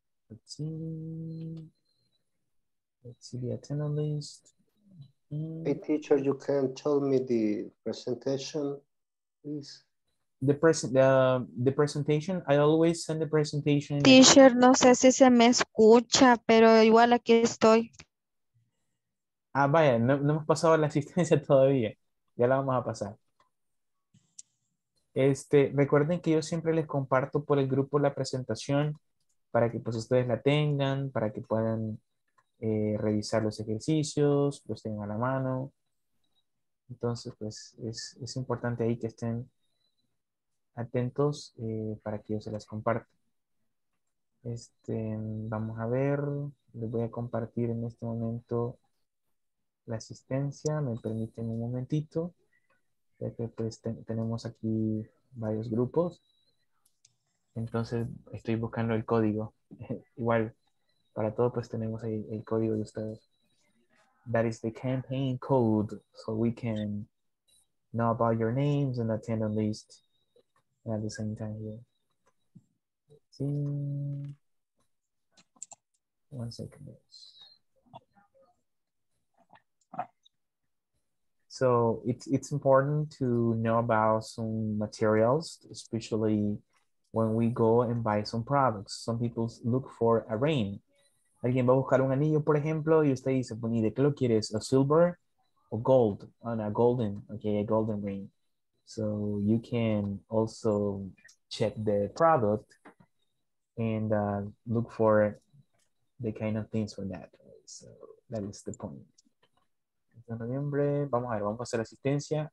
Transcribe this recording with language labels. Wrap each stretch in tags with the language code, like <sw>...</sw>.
<en>Let's see the attendance list. Hey teacher, you can tell me the presentation, please. The presentation, I always send the presentation.</en> <es>Teacher, no sé si se me escucha, pero igual aquí estoy. Ah, vaya, no hemos pasado la asistencia todavía. Ya la vamos a pasar. Recuerden que yo siempre les comparto por el grupo la presentación para que pues ustedes la tengan, para que puedan revisar los ejercicios, los tengan a la mano. Entonces, pues es importante ahí que estén atentos para que yo se las comparta. Vamos a ver, les voy a compartir en este momento la asistencia, me permiten un momentito, ya que pues tenemos aquí varios grupos. Entonces estoy buscando el código. Igual, para todo pues tenemos ahí el código de ustedes.</es> <en>That is the campaign code, so we can know about your names and attend on list at the same time here. Let's see. One second. So it's important to know about some materials, especially when we go and buy some products. Some people look for a ring.</en> <es>Alguien va a buscar un anillo, por ejemplo, y usted dice, ¿y de qué lo quieres?</es> <en>¿A silver o gold? And a golden, okay, a golden ring. So you can also check the product and look for the kind of things for that. So that is the point.</en> <es>De noviembre, vamos a ver, vamos a hacer asistencia.</es>